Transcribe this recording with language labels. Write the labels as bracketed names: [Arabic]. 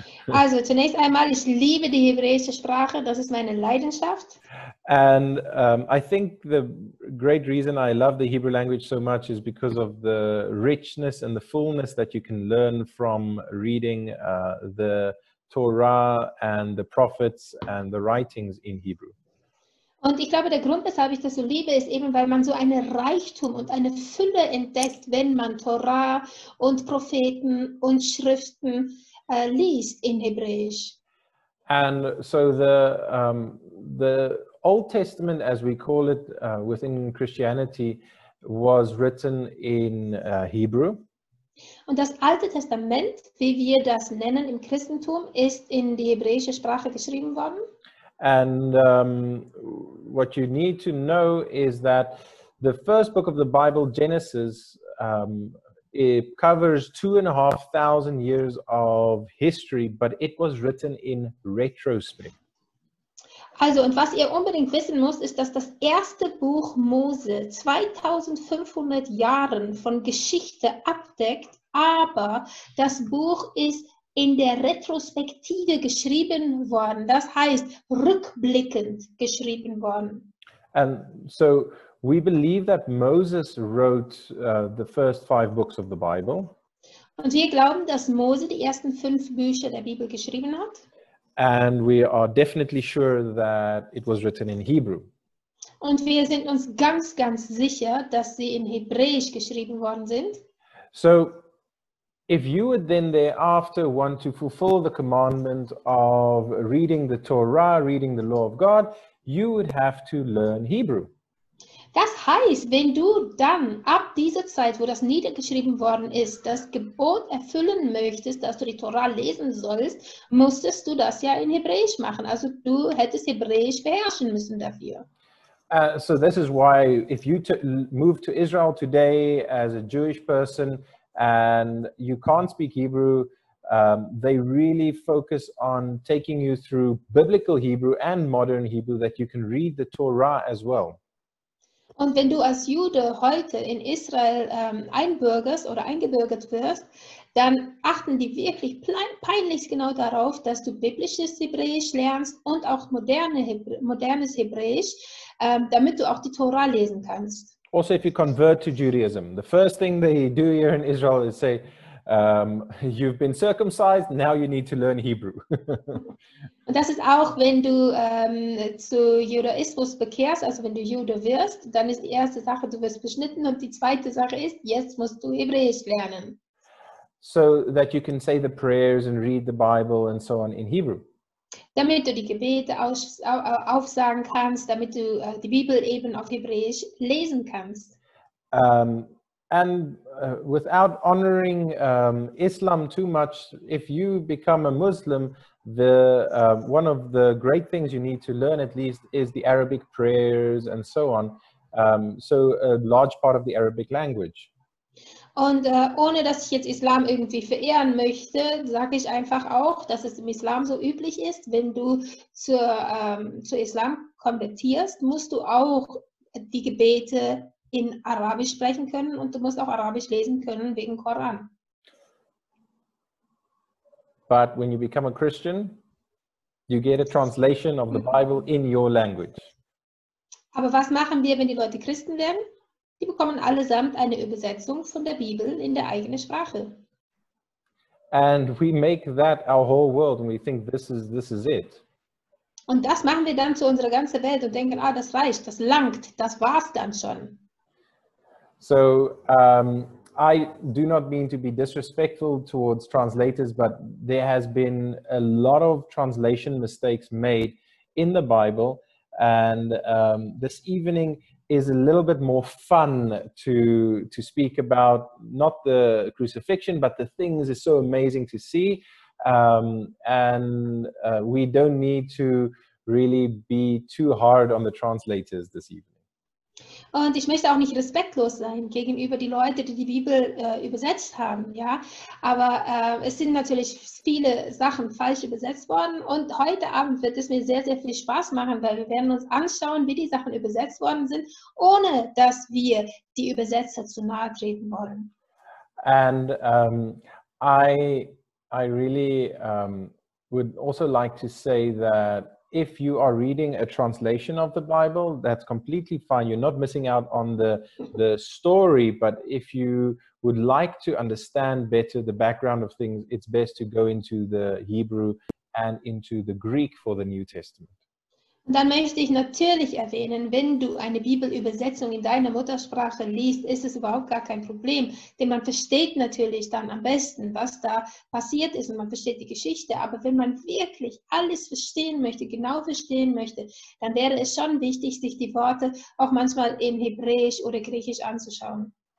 [German] Also, zunächst einmal, ich liebe die hebräische Sprache, das ist meine Leidenschaft. [English] And I think the great reason I love the Hebrew language so much is because of the richness and the fullness that you can learn from reading the Torah and the prophets and the writings in Hebrew. [German] Und ich glaube, der Grund, weshalb ich das so liebe, ist eben, weil man so einen Reichtum und eine Fülle entdeckt, wenn man Torah und Propheten und Schriften liest in Hebräisch. [English] And so the Old Testament, as we call it within Christianity, was written in Hebrew. [German] Und das Alte Testament, wie wir das nennen im Christentum, ist in die hebräische Sprache geschrieben worden. [English] And what you need to know is that the first book of the Bible, Genesis, it covers 2,500 years of history, but it was written in retrospect. [German] Also, und was ihr unbedingt wissen müsst, ist, dass das erste Buch Mose 2,500 Jahren von Geschichte abdeckt, aber das Buch ist in der Retrospektive geschrieben worden, das heißt rückblickend geschrieben worden. [English] And so we believe that Moses wrote the first five books of the Bible. [German] Und wir glauben, dass Mose die ersten fünf Bücher der Bibel geschrieben hat. [English] And we are definitely sure that it was written in Hebrew. [German] Und wir sind uns ganz, ganz sicher, dass sie in Hebräisch geschrieben worden sind. [English] So, if you would then thereafter want to fulfill the commandment of reading the Torah, reading the law of God, you would have to learn Hebrew. [German] Das heißt, wenn du dann ab dieser Zeit, wo das niedergeschrieben worden ist, das Gebot erfüllen möchtest, dass du die Tora lesen sollst, musstest du das ja in Hebräisch machen. Also du hättest Hebräisch beherrschen müssen dafür. [English] So this is why if you move to Israel today as a Jewish person and you can't speak Hebrew, they really focus on taking you through biblical Hebrew and modern Hebrew that you can read the Torah as well. [German] Und wenn du als Jude heute in Israel einbürgerst oder eingebürgert wirst, dann achten die wirklich peinlich genau darauf, dass du biblisches Hebräisch lernst und auch modernes Hebräisch, damit du auch die Torah lesen kannst. [English] Also if you convert to Judaism, the first thing they do here in Israel is say, you've been circumcised, now you need to learn Hebrew. [German] Und das ist auch, wenn du zu Judaismus bekehrst, also wenn du Jude wirst, dann ist die erste Sache, du wirst beschnitten und die zweite Sache ist, jetzt musst du Hebräisch lernen. [English] So that you can say the prayers and read the Bible and so on in Hebrew. [German] Damit du die Gebete aufsagen kannst, damit du die Bibel eben auf Hebräisch lesen kannst. [English] And without honoring Islam too much, if you become a Muslim, one of the great things you need to learn at least is the Arabic prayers and so on. So a large part of the Arabic language. [German] Und ohne dass ich jetzt Islam irgendwie verehren möchte, sage ich einfach auch, dass es im Islam so üblich ist, wenn du zur Islam konvertierst, musst du auch die Gebete in Arabisch sprechen können und du musst auch Arabisch lesen können wegen Koran. [English] But when you become a Christian, you get a translation of the Bible in your language. [German] Aber was machen wir, wenn die Leute Christen werden? Die bekommen allesamt eine Übersetzung von der Bibel in der eigenen Sprache. [English] And we make that our whole world and we think this is it. [German] Und das machen wir dann zu unserer ganzen Welt und denken, ah, das reicht, das langt, das war's dann schon. [English] So, I do not mean to be disrespectful towards translators, but there has been a lot of translation mistakes made in the Bible, and this evening is a little bit more fun to speak about, not the crucifixion, but the things is so amazing to see, and we don't need to really be too hard on the translators this evening. [German] Und ich möchte auch nicht respektlos sein gegenüber die Leute, die die Bibel übersetzt haben, ja. Aber es sind natürlich viele Sachen falsch übersetzt worden. Und heute Abend wird es mir sehr, sehr viel Spaß machen, weil wir werden uns anschauen, wie die Sachen übersetzt worden sind, ohne dass wir die Übersetzer zu nahe treten wollen. [English] And I really would also like to say that if you are reading a translation of the Bible, that's completely fine. You're not missing out on the story, but if you would like to understand better the background of things, it's best to go into the Hebrew and into the Greek for the New Testament. [German] Dann möchte ich natürlich erwähnen, wenn du eine Bibelübersetzung in deiner Muttersprache liest, ist es überhaupt gar kein Problem, denn man versteht natürlich dann am besten, was da passiert ist und man versteht die Geschichte. Aber wenn man wirklich alles verstehen möchte, genau verstehen möchte, dann wäre es schon wichtig, sich die Worte auch manchmal in Hebräisch oder Griechisch anzuschauen.